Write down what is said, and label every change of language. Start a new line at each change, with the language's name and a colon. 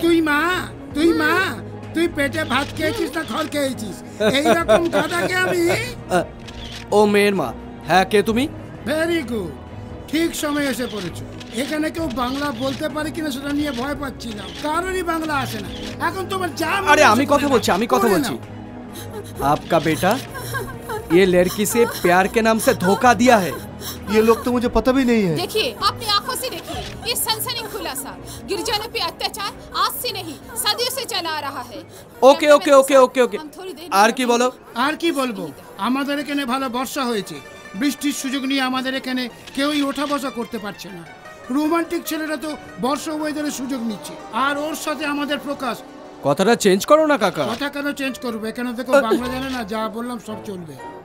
Bangla: তুই মা, তুই পেটে ভাত খেয়েছিস না খড় খেয়েছিস? এই রকম গাধাকে আমি? ও মেয়ের মা, হ্যাঁ কে তুমি? ভেরি গুড, ঠিক সময় এসে পড়েছো। এখানে কেউ বাংলা বলতে পারে কিনা সেটা নিয়ে ভয় পাচ্ছি না, কারোরই বাংলা আসে না। এখন তোমার যা। আরে আমি কথা বলছি,
Hindi: আপকা বেটা ये लड़की से प्यार के नाम से धोखा दिया है। ये लोग तो मुझे पता भी नहीं है। देखिए, आपने आंखों से देखिए, ये सनसनी खुलासा गिरजनों पे अत्याचार आज से नहीं सदियों से चला आ रहा है।
English: okay okay okay okay okay,
Bangla: are की बोलो। आर की बोलबो, আমাদের এখানে ভালো বর্ষা হয়েছে, বৃষ্টির সুযোগ নিয়ে আমাদের এখানে কেউই ওঠা বসা করতে পারছে না। রোমান্টিক ছেলেরা তো বর্ষা ওয়েদারের সুযোগ নিচ্ছে, আর ওর সাথে আমাদের প্রকাশ। কথাটা চেঞ্জ করো না কাকা। কথা কেন চেঞ্জ করবে? কেন দেখো, বাংলা জানে না, যা বললাম সব চলবে।